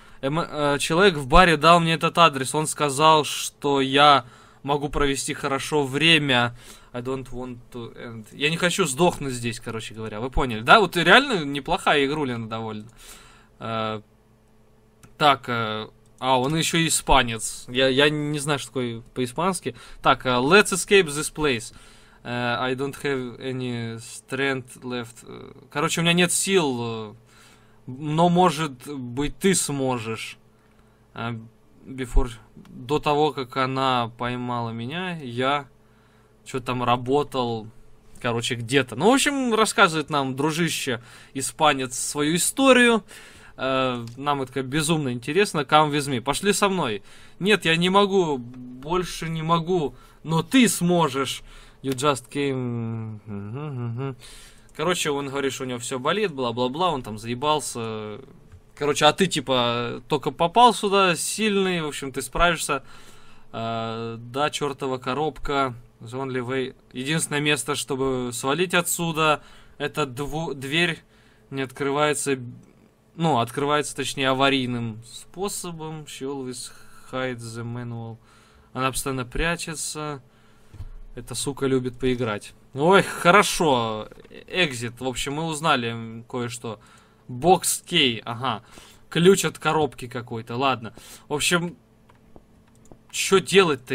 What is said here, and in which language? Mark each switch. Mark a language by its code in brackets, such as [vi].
[ru] Человек в баре дал мне этот адрес. Он сказал, что я могу провести хорошо время. [en] I don't want to end. [ru] Я не хочу сдохнуть здесь, короче говоря. Вы поняли, да? Вот реально неплохая игрулина довольно. Так. А, он еще испанец. Я не знаю, что такое по-испански. Так, [en] let's escape this place. I don't have any strength left. [ru] Короче, у меня нет сил. Но, может быть, ты сможешь. [en] Before... [ru] До того, как она поймала меня, я что-то там работал. Короче, где-то. Ну, в общем, рассказывает нам дружище-испанец свою историю. нам это безумно интересно, [en] come with me, [ru] пошли со мной. Нет, я не могу, больше не могу, но ты сможешь. [en] You just came... [ru] Короче, он говорит, что у него все болит, бла-бла-бла, он там заебался. Короче, а ты типа только попал сюда, сильный, в общем, ты справишься. Да, чертова коробка, [en] only way. [ru] Единственное место, чтобы свалить отсюда, это дверь не открывается, ну, открывается, точнее, аварийным способом. [en] She always hides the manual. [ru] Она постоянно прячется. Эта сука любит поиграть. Ой, хорошо. Exit. В общем, мы узнали кое-что. [en] Box key. [ru] Ага. Ключ от коробки какой-то. Ладно. В общем, что делать-то?